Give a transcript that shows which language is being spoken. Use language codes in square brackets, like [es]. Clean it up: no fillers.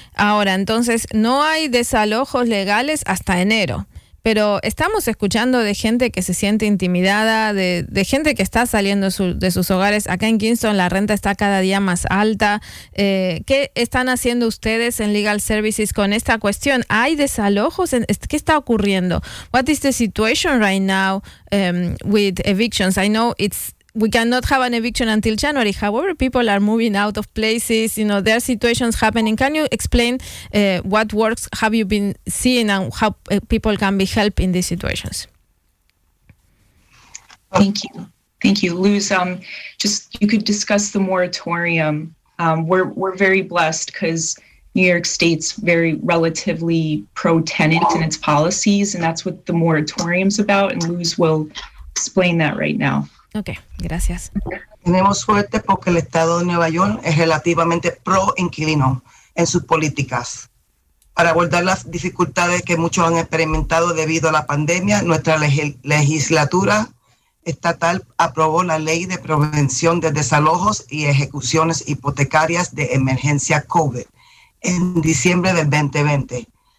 [es] Ahora, entonces, no hay desalojos legales hasta enero, pero estamos escuchando de gente que se siente intimidada, de gente que está saliendo de sus hogares. Acá en Kingston la renta está cada día más alta. ¿Qué están haciendo ustedes en Legal Services con esta cuestión? ¿Hay desalojos? ¿Qué está ocurriendo? [en] What is the situation right now with evictions? I know it's we cannot have an eviction until January. However, people are moving out of places. You know, there are situations happening. Can you explain what works have you been seeing and how people can be helped in these situations? Thank you, Luz. Just you could discuss the moratorium. We're very blessed because New York State's very relatively pro-tenant in its policies, and that's what the moratorium's about. And Luz will explain that right now. [es] Okay, gracias. Tenemos suerte porque el estado de Nueva York es relativamente pro inquilino en sus políticas. Para abordar las dificultades que muchos han experimentado debido a la pandemia, nuestra legislatura estatal aprobó la Ley de Prevención de Desalojos y Ejecuciones Hipotecarias de Emergencia COVID en diciembre del 2020.